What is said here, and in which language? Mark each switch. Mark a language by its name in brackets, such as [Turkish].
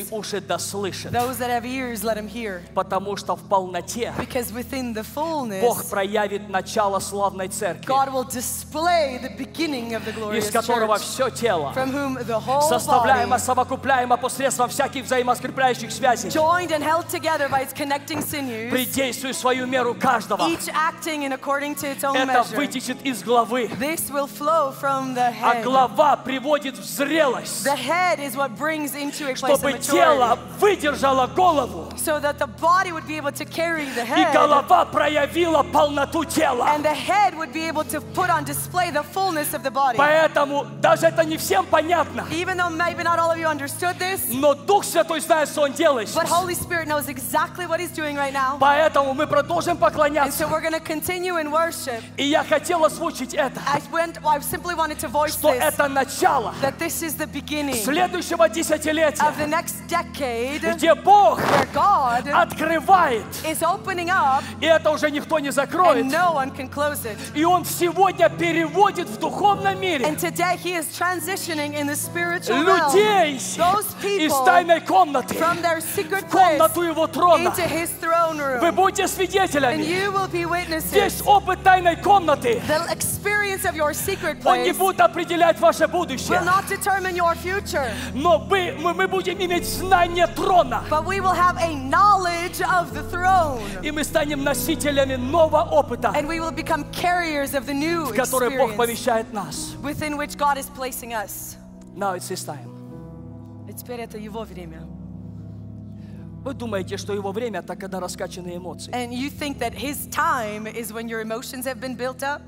[English] Those that have ears, let them hear. Because within the fullness, God will display the beginning of the glorious church, from whom the whole body, joined and held together by its connecting sinews, [Russian] действует свою меру каждого. [English] Each acting in according to its own [Russian] measure. Это вытечет из головы. [English] This will flow from the head. [Russian] А голова приводит в зрелость. [English] The head is what brings into a place of maturity. [Russian] Чтобы тело выдержало голову. [English] So that the body would be able to carry the head. [Russian] И голова проявила полноту тела. [English] And the head would be able to put on display the fullness of the body. [Russian] Поэтому даже это не всем понятно. [English] Even though maybe not all of you understood this. [Russian] Но Дух Святой знает, что Он делает. [English] But Holy Spirit knows exactly what He's doing right now. [Russian] Поэтому мы продолжим поклоняться. [English] And so we're going to continue in worship. [Russian] И я хотел озвучить это. [English] I simply wanted to voice [Russian] что [English] this. [Russian] Что это начало. [English] That this is the beginning. [Russian] Следующего десятилетия. [English] Of the next decade. [Russian] Где Бог. [English] Where God. [Russian] Открывает. [English] Is opening up. [Russian] И это уже никто не закроет. [English] And no one can close it. [Russian] И Он сегодня переводит в духовном мире. [English] And today He is transitioning in the spiritual realm. [Russian] Людей. [English] Those people. [Russian] Из тайной комнаты. [English] From their secret place. [Russian] Комнату Его трона. [English] Into His throne room. [Russian] Вы будете свидетелями. [English] And you will be witnesses. [Russian] Здесь опыт тайной комнаты. [English] The experience of your secret place. [Russian] Он не будет определять ваше будущее. [English] Will not determine your future. [Russian] Но мы будем иметь знание трона. [English] But we will have a knowledge of the throne. [Russian] И мы станем носителями нового опыта. [English] And we will become carriers of the new experience. [Russian] В который Бог помещает нас. [English] Within which God is placing us. Now it's His time. [Russian] И теперь это Его время. Вы думаете, что его время — это когда раскачаны эмоции. [English] And you think that his time is when your emotions have been built up?